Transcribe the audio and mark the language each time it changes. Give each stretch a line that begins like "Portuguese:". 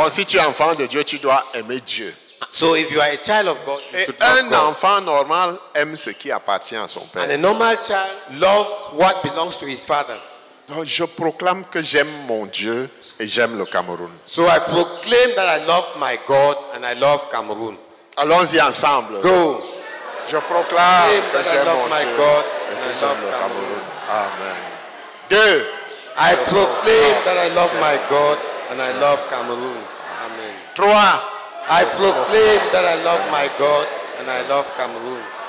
French: Donc si tu es enfant de Dieu, tu dois aimer Dieu.
English: So if you are a child of God, you should love
French: un
English: God.
French: Enfant normal aime ce qui appartient à son père.
English: And a normal child loves what belongs to his father.
French: Donc je proclame que j'aime mon Dieu et j'aime le Cameroun.
English: So I proclaim that I love my God and I love Cameroon.
French: Allons-y ensemble.
English: Go.
French: Je proclame que j'aime mon Dieu God et que j'aime le Cameroun. Amen. Deux.
English: I proclaim that I love my God and I love Cameroon. Amen.
French: Trois.
English: I proclaim that I love my God and I love Cameroon.